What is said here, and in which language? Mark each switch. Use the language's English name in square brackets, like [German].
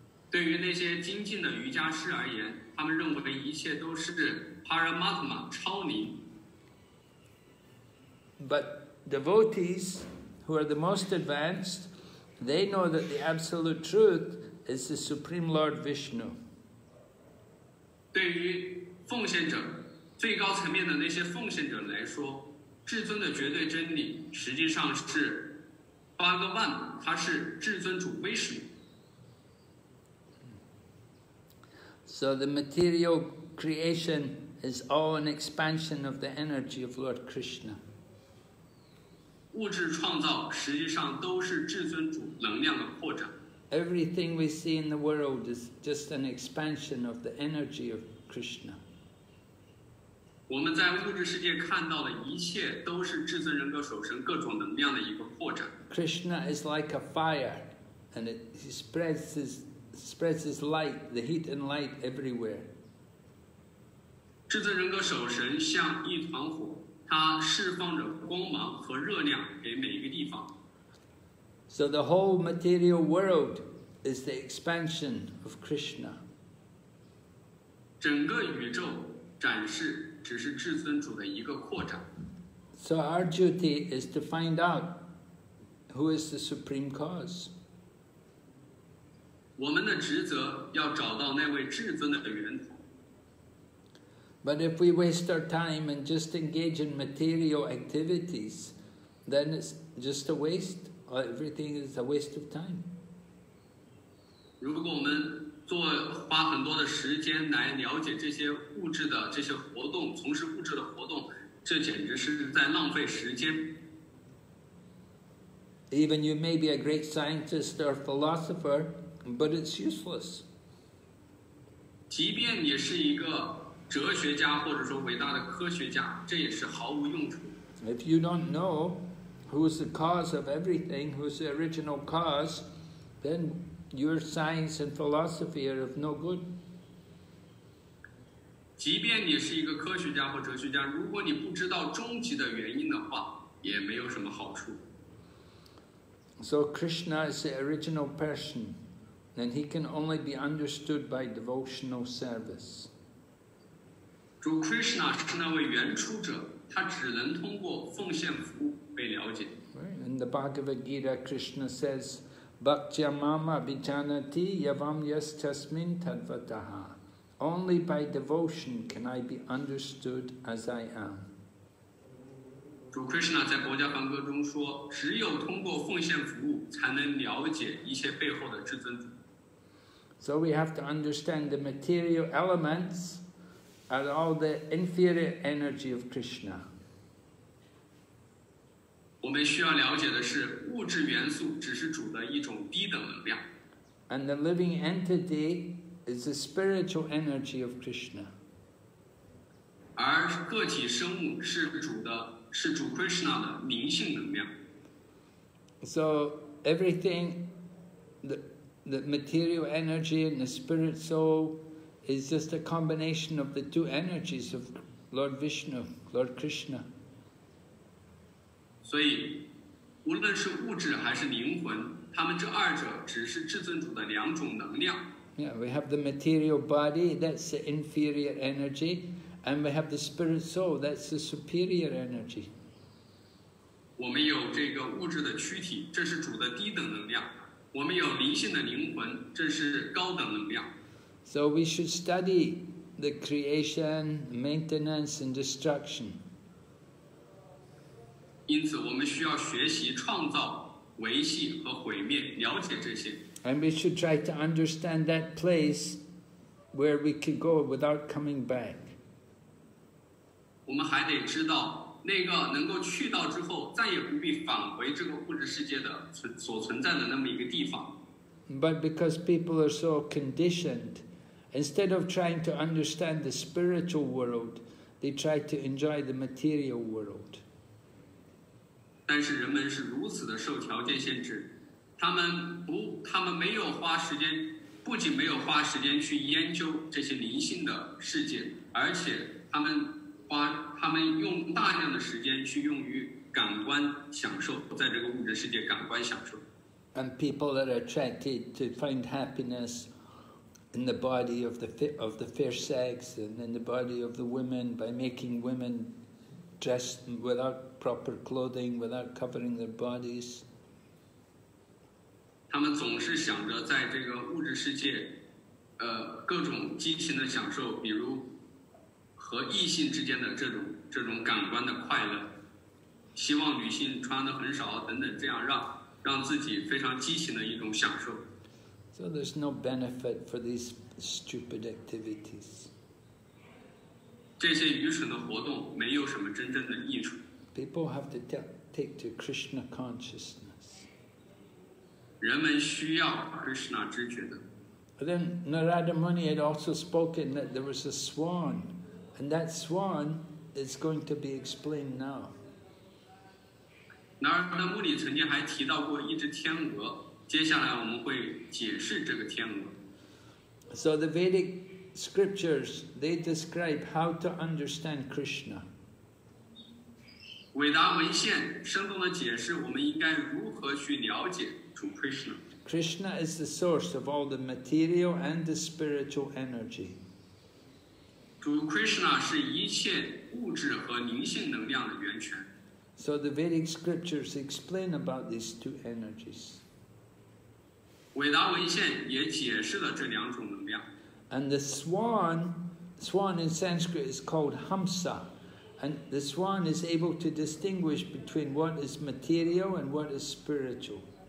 [Chinese] 对于那些精进的瑜伽师而言，他们认为一切都是 Paramatma 超灵。 [English] But devotees who are the most advanced, they know that the absolute truth is the Supreme Lord Vishnu. [Chinese] 对于奉献者，最高层面的那些奉献者来说，至尊的绝对真理实际上是八个万，他是至尊主威士。 [English] So the material creation is all an expansion of the energy of Lord Krishna. [Chinese] 物质创造实际上都是至尊主能量的扩展。 [English] Everything we see in the world is just an expansion of the energy of Krishna. [Chinese] 我们在物质世界看到的一切都是至尊人格所生各种能量的一个扩展。 [English] Krishna is like a fire, and it spreads his light, the heat and light everywhere. [Chinese] 至尊人格所生像一团火。它释放着光芒和热量给每一个地方。 [English] So the whole material world is the expansion of Krishna. [Chinese] 整个宇宙展示只是至尊主的一个扩展。 [English] So our duty is to find out who is the supreme cause. [Chinese] 我们的职责要找到那位至尊的源头。 [English] But if we waste our time and just engage in material activities, then it's just a waste. Everything is a waste of time. [Chinese] 如果我们做花很多的时间来了解这些物质的这些活动，从事物质的活动，这简直是在浪费时间。 [English] Even you may be a great scientist or philosopher, but it's useless. [Chinese] 即便也是一个哲学家或者说伟大的科学家，这也是毫无用处。 [English] If you don't know who's the cause of everything, who's the original cause, then your science and philosophy are of no good. [Chinese] 即便你是一个科学家或哲学家，如果你不知道终极的原因的话，也没有什么好处。 [English] So Krishna is the original person, and he can only be understood by devotional service. [Chinese] 主 Krishna 是那位原初者，他只能通过奉献服务被了解。 [English] Right. In the Bhagavad Gita, Krishna says, [Sanskrit] "Bhaktya mama bijanati yavam yas tasmin tadvataha." [English] Only by devotion can I be understood as I am. [Chinese] 主 Krishna 在《薄伽梵歌》中说，只有通过奉献服务，才能了解一切背后的至尊。 [English] So we have to understand the material elements and all the inferior energy of Krishna. [Chinese] 我们需要了解的是，物质元素只是主的一种低等能量。 [English] And the living entity is the spiritual energy of Krishna. [Chinese] 而个体生物是主的。是主 Krishna 的灵性能量。 [English] So everything, the material energy and the spirit soul is just a combination of the two energies of Lord Vishnu, Lord Krishna. [Chinese] 所以无论是物质还是灵魂，他们这二者只是至尊主的两种能量。 [English] Yeah, we have the material body, that's the inferior energy. And we have the spirit soul, that's the superior energy. [Chinese] 我们有这个物质的躯体，这是主的低等能量。我们有灵性的灵魂，这是高等能量。 [English] So we should study the creation, maintenance, and destruction. [Chinese] 因此我们需要学习创造、维系和毁灭，了解这些。 [English] And we should try to understand that place where we could go without coming back. [Chinese] 我们还得知道那个能够去到之后再也不必返回这个物质世界的所存在的那么一个地方。 [English] But because people are so conditioned, instead of trying to understand the spiritual world, they try to enjoy the material world. [Chinese] 但是人们是如此的受条件限制，他们没有花时间，不仅没有花时间去研究这些灵性的世界，而且他们用大量的时间去用于感官享受，在这个物质世界感官享受。 [English] And people that are attracted to find happiness in the body of the fair sex and in the body of the women by making women dress without proper clothing, without covering their bodies. [Chinese] 他们总是想着在这个物质世界，各种激情的享受，比如。和异性之间的这种感官的快乐，希望女性穿得很少等等，这样让自己非常激情的一种享受。 [English] So there's no benefit for these stupid activities. [Chinese] 这些愚蠢的活动没有什么真正的益处。 [English] People have to take to Krishna consciousness. [Chinese] 人们需要 Krishna 知觉的。 [English] But then Narada Muni had also spoken that there was a swan. And that swan is going to be explained now. [Chinese] Narada Muni 曾经还提到过一只天鹅，接下来我们会解释这个天鹅。 [English] So the Vedic scriptures, they describe how to understand Krishna. [Chinese] 伟达文献生动地解释我们应该如何去了解 [English] from Krishna. Krishna is the source of all the material and the spiritual energy. [Chinese] To Krishna 是一切物质和灵性能量的源泉。 [English] So the Vedic scriptures explain about these two energies. [Chinese] 伟达文献也解释了这两种能量。 [English] And the swan in Sanskrit is called Hamsa. And the swan is able to distinguish between what is material and what is spiritual.